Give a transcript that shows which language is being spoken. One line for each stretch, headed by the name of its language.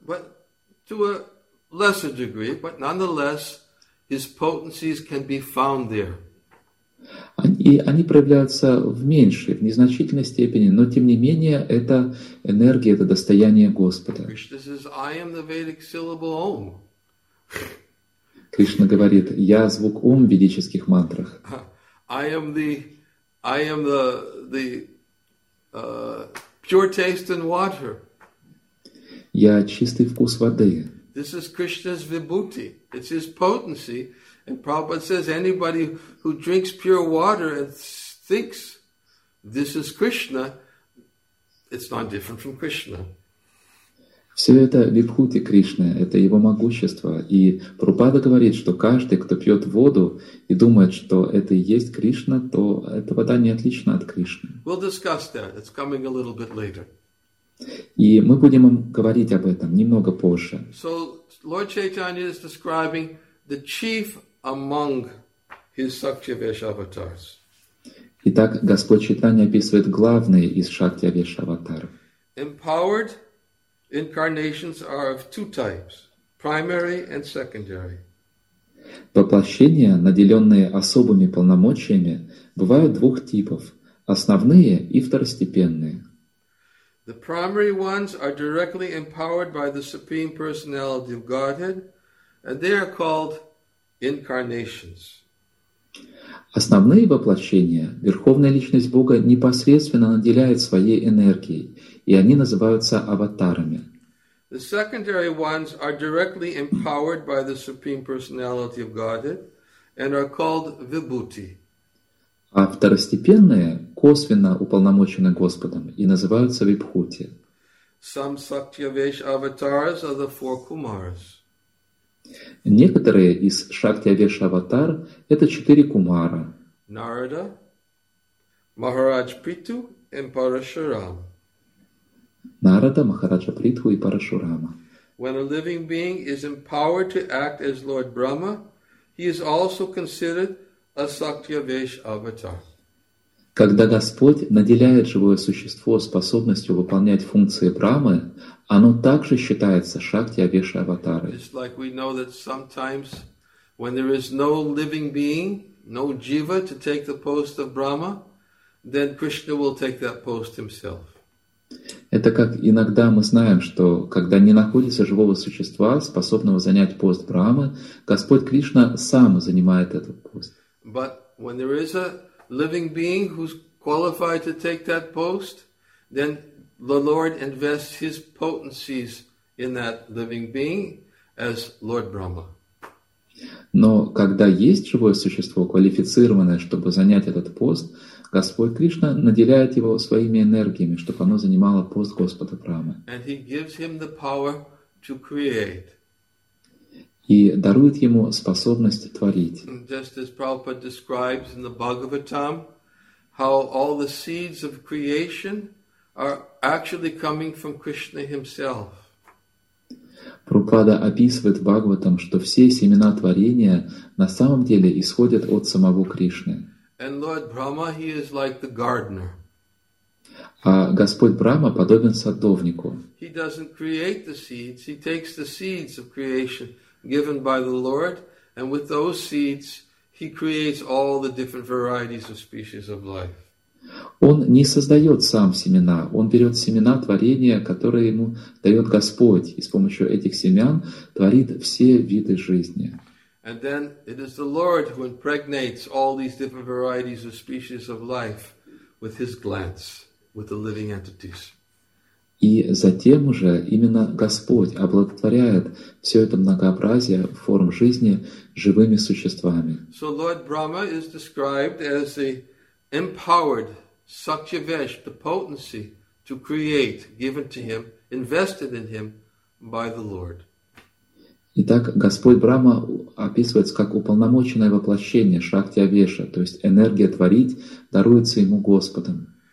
English: But to a lesser degree, but nonetheless, his potencies can be found there.
Russian: И они проявляются в меньшей, в незначительной степени, но тем не менее это энергия, это достояние Господа.
English: Krishna says, I am the Vedic syllable Om.
Russian: Кришна говорит, я звук Ом в ведических мантрах.
English: I am the pure taste in water.
Russian: Я чистый вкус воды.
English: This is Krishna's vibhuti. It's his potency. And Prabhupada says, anybody who drinks pure water and thinks this is Krishna, it's not different from Krishna.
Russian: Все это вибхути Кришны, это его могущество. И Прабхупада говорит, что каждый, кто пьет воду и думает, что это и есть Кришна, то эта вода не отлична от Кришны.
English: We'll discuss that. It's coming a little bit later.
Russian: И мы будем говорить об этом немного позже.
English: So Lord Chaitanya is describing the chief among his Satyavesh avatars.
Russian: Итак, Господь Чайтанья описывает главные из Шактиавеш аватаров.
English: Empowered incarnations are of two types, primary and secondary.
Russian: Воплощения, наделенные особыми полномочиями, бывают двух типов, основные и второстепенные.
English: The primary ones are directly empowered by the Supreme Personality of Godhead, and they are called incarnations.
Russian: Основные воплощения Верховная Личность Бога непосредственно наделяет своей энергией, и они называются аватарами.
English: The secondary ones are directly empowered by the Supreme Personality of Godhead and are called vibhuti.
Russian: А второстепенные косвенно уполномочены Господом и называются Вибхути.
English: Some Shaktyavesh avatars are the four kumaras.
Russian: Некоторые из Шактиавеш аватар – это четыре кумара. Нарада, Махарадж Притху и Парашурам. Нарада, Махараджа Притху и Парашурама.
English: When a living being is empowered to act as Lord Brahma, he is also considered a Shaktyavesh avatar.
Russian: Когда Господь наделяет живое существо способностью выполнять функции Брахмы, оно также считается Шакти-Авеша Аватарой.
English: Just like we know that sometimes when there is no living being, no jiva to take the post of Brahma, then Krishna will take that post himself.
Russian: Это как иногда мы знаем, что когда не находится живого существа, способного занять пост Брахмы, Господь Кришна сам занимает этот пост.
English: But when there is a living being who's qualified to take that post, then the Lord invests his potencies in that living being as Lord Brahma.
Russian: Но когда есть живое существо, квалифицированное, чтобы занять этот пост, Господь Кришна наделяет его своими энергиями, чтобы оно занимало пост Господа Брахмы.
English: And he gives him the power to create.
Russian: И дарует ему способность творить.
English: Just as Prabhupada describes in the Bhagavatam, how all the seeds of creation are actually coming from Krishna himself.
Russian: Прабхупада описывает в Бхагаватам, что все семена творения на самом деле исходят от самого Кришны.
English: And Lord Brahma, he is like the gardener.
Russian: А Господь Брахма подобен садовнику.
English: He doesn't create the seeds, he takes the seeds of creation given by the Lord, and with those seeds he creates all the different varieties of species of life.
Russian: Он не создает сам семена, он берет семена творения, которые ему дает Господь, и с помощью этих семян творит все виды жизни.
English: And then it is the Lord who impregnates all these different varieties of species of life with his glance, with the living entities.
Russian: И затем уже именно Господь оплодотворяет все это многообразие форм жизни живыми существами.
English: So Lord Brahma is described as the empowered Satyavesh, the potency to create, given to him, invested in him by the Lord.
Russian: Итак, Господь Брахма описывается как уполномоченное воплощение Шактиавеша, то есть энергия творить даруется ему Господом.